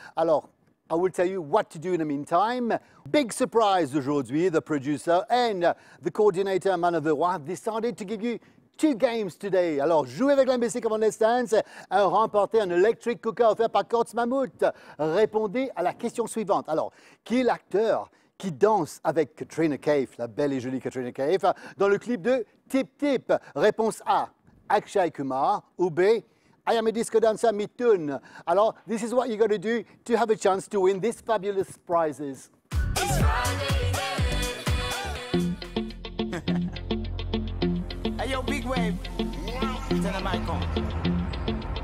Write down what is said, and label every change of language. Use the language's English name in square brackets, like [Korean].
[English] Alors, I will tell you what to do in the meantime. Big surprise aujourd'hui, the producer and the coordinator Man of the Roi decided to give you two games today. [French] Alors, jouez avec l'MBC Come On, Let's Dance et remportez un [English] electric cooker [French] offert par Kurt Mahmoud. Répondez à la question suivante. Alors, qui est l'acteur qui danse avec Katrina Kaif, la belle et jolie Katrina Kaif, dans le clip de Tip Tip? Réponse A, Akshay Kumar, ou B, I am a disco dancer, Mithun. [English] Alors, this is what you got to do to have a chance to win these fabulous prizes. Yo, big wave. Turn the mic on.